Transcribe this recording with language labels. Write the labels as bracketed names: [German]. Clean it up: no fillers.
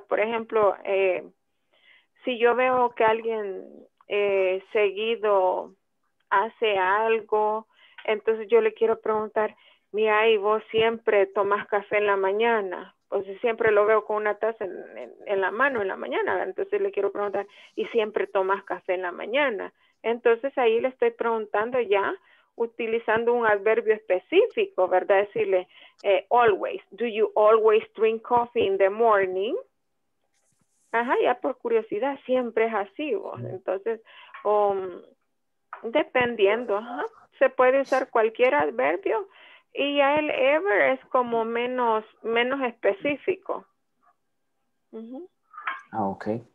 [Spanish] Por ejemplo, si yo veo que alguien seguido hace algo, entonces yo le quiero preguntar, mira, ¿y vos siempre tomas café en la mañana? Pues siempre lo veo con una taza en la mano en la mañana, ¿verdad? Entonces le quiero preguntar, ¿y siempre tomas café en la mañana? Entonces ahí le estoy preguntando ya, utilizando un adverbio específico, ¿verdad? Decirle, [English] always, do you always drink coffee in the morning? [Spanish] Ajá, ya por curiosidad, siempre es así, vos. Entonces, dependiendo, ajá, se puede usar cualquier adverbio y ya el ever es como menos específico. Uh-huh. Ah, ok.